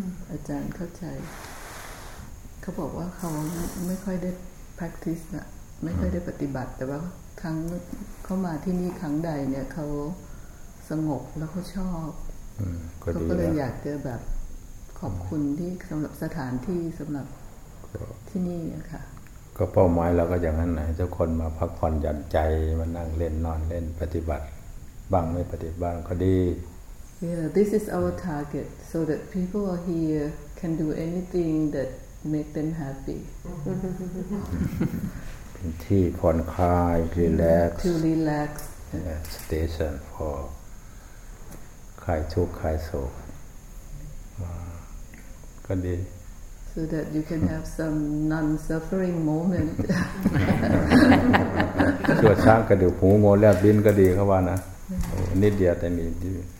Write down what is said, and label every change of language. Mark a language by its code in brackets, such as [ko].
[th] อาจารย์เข้าใจเขาบอกว่าเขาไม่ค่อยได้ practice นะไม่ค่อยได้ปฏิบัติแต่ว่าครั้งเขามาที่นี่ครั้งใดเนี่ยเขาสงบแล้วเขาชอบเขาก็เลยอยากจะแบบขอบคุณที่สำหรับสถานที่สำหรับที่นี่ค่ะ ก็เป้าหมายเราก็อย่างนั้นไหนทุกคนมาพักผ่อนหย่อนใจมานั่งเล่นนอนเล่นปฏิบัติบ้างไม่ปฏิบัติบ้างก็ดี [en] Yeah this is our target so that people are here can do anything that make them happy [th] ที่ผ่อนคลาย relax [en] to relax station for [th] คลายทุกข์คลายโศกก็ดี [en] so that you can have some non-suffering moment [th] ชั่วช้างกระดูกหูงอแลบลิ้นก็ดีเขาว่านะนิดเดียวแต่มีดี